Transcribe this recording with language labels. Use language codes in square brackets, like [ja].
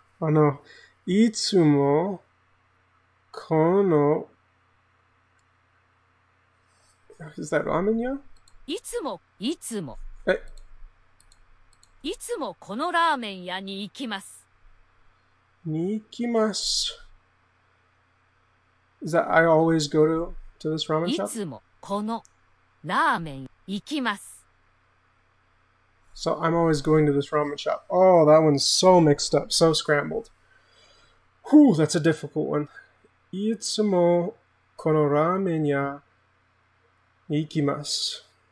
[ja] あの、いつもこの [en] Is that ramen [ja] 屋? いつも、いつも。え? いつもこのラーメン屋に行きます。に行きます。 [en] Is that I always go to this ramen shop? [ja] いつもこのラーメン行きます。 [en] So I'm always going to this ramen shop. Oh, that one's so mixed up, so scrambled. Whew, that's a difficult one. [ja] いつもこのラーメン屋行きます。